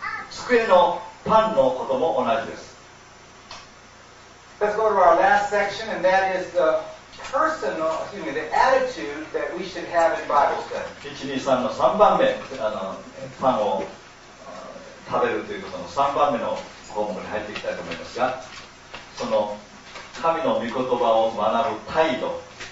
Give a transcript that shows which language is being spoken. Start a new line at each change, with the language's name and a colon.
Japanese: 机のパンのことも同じです。
English: Let's go to our last section, and that is the the attitude that we should have in Bible study.
Japanese: 1,2,3 の3番目、パンを食べるということの3番目の項目に入っていきたいと思いますが、その神の御言葉を学ぶ態度。